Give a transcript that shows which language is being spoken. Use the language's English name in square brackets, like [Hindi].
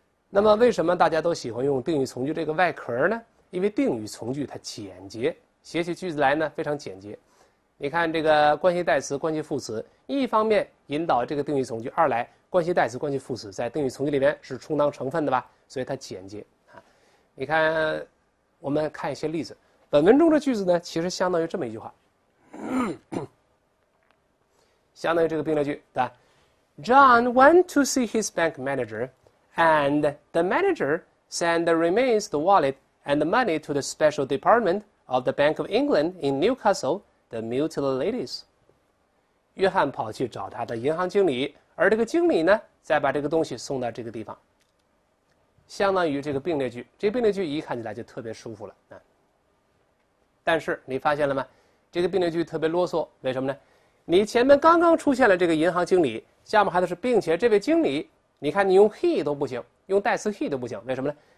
[Chinese] 那么为什么大家都喜欢用定语从句这个外壳呢？因为定语从句它简洁，写起句子来呢非常简洁。你看这个关系代词、关系副词，一方面引导这个定语从句，二来关系代词、关系副词在定语从句里面是充当成分的吧，所以它简洁啊。你看，我们看一些例子。本文中的句子呢，其实相当于这么一句话，相当于这个并列句，对吧 ？ [English] John went to see his bank manager, and the manager sent the remains, the wallet, and the money to the special department of the Bank of England in Newcastle. The mutilated ladies. [Chinese] 约翰跑去找他的银行经理，而这个经理呢再把这个东西送到这个地方，相当于这个并列句。这并列句一看起来就特别舒服了啊。但是你发现了吗？这个并列句特别啰嗦，为什么呢？你前面刚刚出现了这个银行经理，下面还都是并且这位经理，你看你用 he 都不行，用代词 he 都不行，为什么呢？